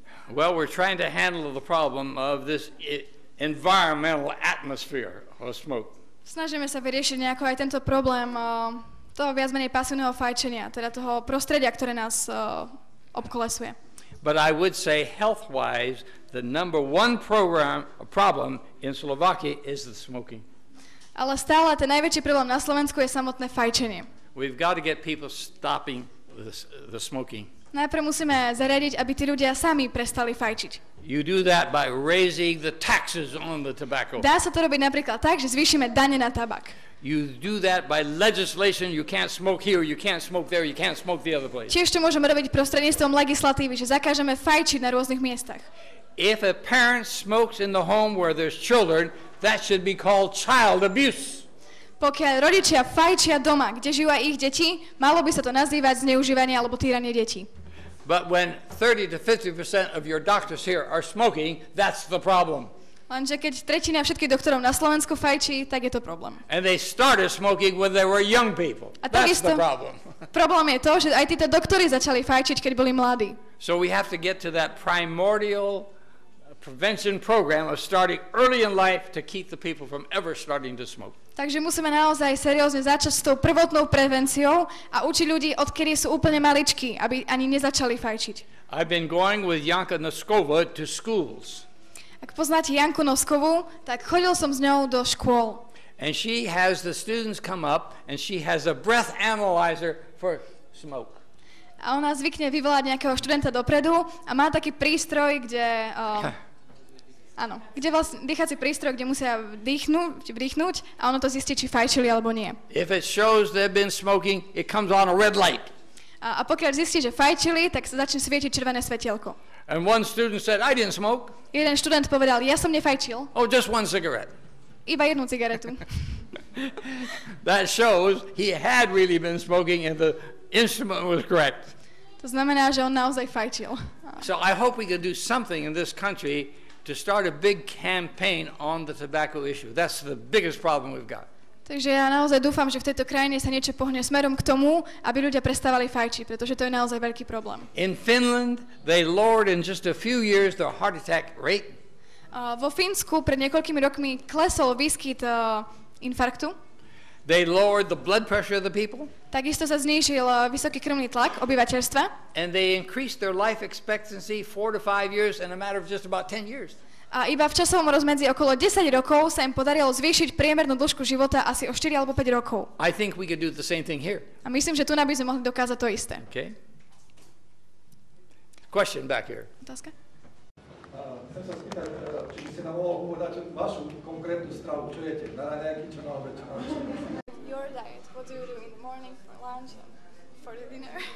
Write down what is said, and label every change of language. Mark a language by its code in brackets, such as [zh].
[en] Well, we're trying to handle the problem of this environmental atmosphere of smoke. [sk] Snažíme sa vyriešiť nejako aj tento problém toho viac menej pasívneho fajčenia, teda toho prostredia, ktoré nás obkolesuje. [en] But I would say health-wise, the number one problem in Slovakia is the smoking. [sk] Ale stále ten najväčší problém na Slovensku je samotné fajčenie. [en] We've got to get people stopping the smoking. [sk] Najprv musíme zariadiť, aby tí ľudia sami prestali fajčiť. [en] You do that by raising the taxes on the tobacco. [sk] Dá sa to robiť napríklad tak, že zvýšime dane na tabak. [en] You do that by legislation, you can't smoke here, you can't smoke there, you can't smoke the other place. [sk] Tiež to môžeme robiť prostredníctvom legislatívy, že zakážeme fajčiť na rôznych miestach. [en] If a parent smokes in the home where there's children, that should be called child abuse. [sk] Pokiaľ rodičia fajčia doma, kde žijú aj ich deti, malo by sa to nazývať zneužívanie alebo týranie detí. [en] But when 30-50% of your doctors here are smoking, that's the problem. [sk] Lenže keď tretina všetkých doktorov na Slovensku fajčí, tak je to problém. [en] And they started smoking when they were young people. That's the problem. [sk] Problém je to, že aj títo doktori začali fajčiť, keď boli mladí. [en] So we have to get to that primordial prevention program of starting early in life to keep the people from ever starting to smoke. [sk] Takže musíme naozaj seriózne začať s tou prvotnou prevenciou a učiť ľudí, odkedy sú úplne maličkí, aby ani nezačali fajčiť. [en] I've been going with Janka Noskova to schools. [sk] Ak poznáte Janku Noskovu, tak chodil som s ňou do škôl. [en] And she has the students come up and she has a breath analyzer for smoke. [sk] A ona zvykne vyvolať nejakého študenta dopredu a má taký prístroj, kde áno, kde vlastne dýchací prístroj, kde musia vdýchnuť a ono to zistí, či fajčili alebo nie. [en] If it shows they've been smoking, it comes on a red light. [sk] A pokiaľ zistí, že fajčili, tak sa začne svietiť červené svetielko. [en] And one student said, I didn't smoke. [sk] Jeden študent povedal, ja som nefajčil. [en] Oh, just one cigarette. [sk] Iba jednu cigaretu. [en] That shows he had really been smoking and the instrument was correct. [sk] To znamená, že on naozaj fajčil. [en] So I hope we can do something in this country to start a big campaign on the tobacco issue. That's the biggest problem we've got. [sk] Takže ja naozaj dúfam, že v tejto krajine sa niečo pohne smerom k tomu, aby ľudia prestávali fajčiť, pretože to je naozaj veľký problém. [en] In Finland, they lowered in just a few years their heart attack rate. [sk] Vo Fínsku pred niekoľkými rokmi klesol výskyt infarktu. [en] They lowered the blood pressure of the people. [sk] Takisto sa znížil vysoký krvný tlak obyvateľstva. [en] And they increased their life expectancy 4 to 5 years in a matter of just about 10 years. [sk] A iba v časovom rozmedzi okolo 10 rokov sa im podarilo zvýšiť priemernú dĺžku života asi o 4 alebo 5 rokov. [en] I think we could do the same thing here. [sk] A myslím, že tu by sme mohli dokázať to isté. [en] Okay. Question back here. [sk] Otázka? Chcem sa spýtať, či by ste nám mohol povedať vašu konkrétnu stravu, čo jete, na nejaký čo na obed, čo na večer. [en] Your diet, what do you do in the morning, for lunch, for the dinner?